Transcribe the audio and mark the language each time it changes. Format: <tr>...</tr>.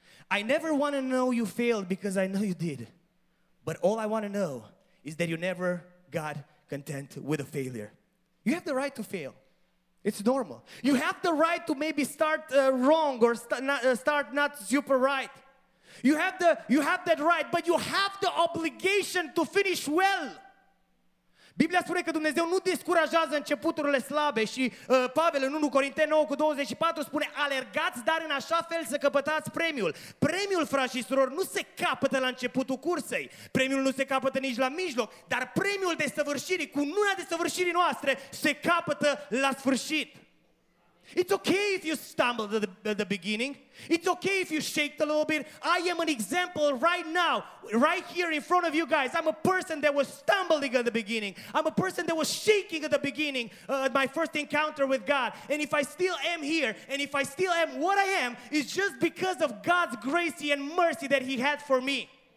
<en>I never want to know you failed because I know you did. But all I want to know is that you never got content with a failure." You have the right to fail. It's normal. You have the right to maybe start wrong or start not super right. You have that right, but you have the obligation to finish well.</en> <ro>Biblia spune că Dumnezeu nu descurajează începuturile slabe și Pavel în 1 Corinteni 9:24 spune: "Alergați dar în așa fel să căpătați premiul." Premiul, frați și surori, nu se capătă la începutul cursei. Premiul nu se capătă nici la mijloc, dar premiul desăvârșirii, cununa desăvârșirii noastre, se capătă la sfârșit.</ro> <en>It's okay if you stumble at the beginning. It's okay if you shake a little bit. I am an example right now, right here in front of you guys. I'm a person that was stumbling at the beginning. I'm a person that was shaking at the beginning, at my first encounter with God. And if I still am here, and if I still am what I am, it's just because of God's grace and mercy that He had for me.</en>